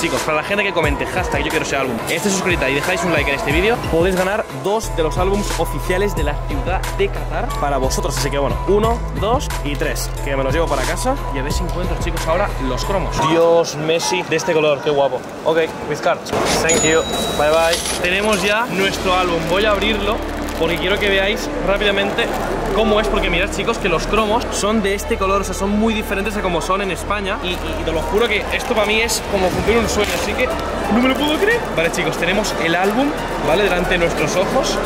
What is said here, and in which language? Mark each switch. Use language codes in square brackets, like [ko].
[es] Chicos, para la gente que comente hashtag yo quiero ese álbum, esté suscrita y dejáis un like en este vídeo, podéis ganar dos de los álbums oficiales de la ciudad de Qatar para vosotros. Así que bueno, 1, 2 y 3, que me los llevo para casa. Y a ver si encuentro, chicos, ahora los cromos. Dios, Messi, de este color, qué guapo. [en] Ok, with cards, thank you, bye bye. [es] Tenemos ya nuestro álbum, voy a abrirlo porque quiero que veáis rápidamente cómo es, porque mirad, chicos, que los cromos son de este color, o sea, son muy diferentes a como son en España. Y te lo juro que esto para mí es como cumplir un sueño, así que no me lo puedo creer. Vale, chicos, tenemos el álbum, ¿vale? Delante de nuestros ojos.